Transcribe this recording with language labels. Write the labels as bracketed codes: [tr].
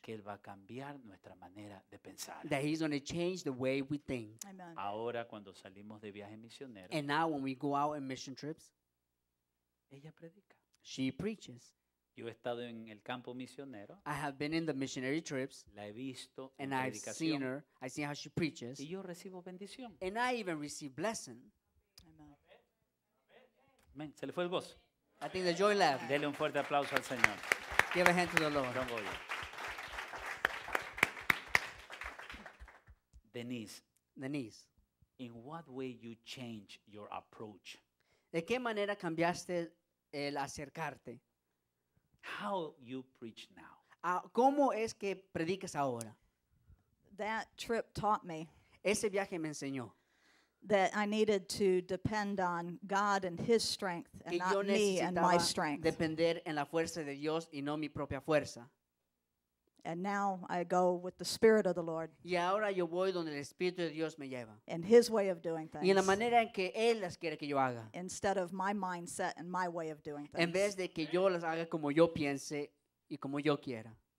[es] que él va a cambiar nuestra manera de pensar. [en] That he's going to change the way we think. Amen. [es] Ahora, cuando salimos de viaje misionero, [en] and now when we go out on mission trips, [es] ella predica. [en] She preaches. [es] Yo he estado en el campo misionero, [en] I have been in the missionary trips. [es] La he visto [en] and [es] en [en] I've [es] predicación, [en] seen her. I've seen how she preaches. [es] Y yo recibo bendición. [en] And I even receive blessing. Amen. [es] Se le fue el gozo. [en] I think the joy left. [es] Dele un fuerte aplauso al Señor. [en] Give a hand to the Lord. Don't worry. Denise. In what way you change your approach? [es] ¿De qué manera cambiaste el acercarte? [en] How you preach now? [es] ¿Cómo es que predicas ahora? [en] That trip taught me. [es] Ese viaje me enseñó. [en] That I needed to depend on God and His strength and not me and my strength. [es] Depender en la fuerza de Dios y no mi propia fuerza. [en] And now I go with the Spirit of the Lord. [es] Y ahora yo voy donde el Espíritu de Dios me lleva. [en] And His way of doing things. [es] Y en la manera en que Él las quiere que yo haga. [en] Instead of my mindset and my way of doing things. [es] En vez de que yo las haga como yo piense y como yo quiera.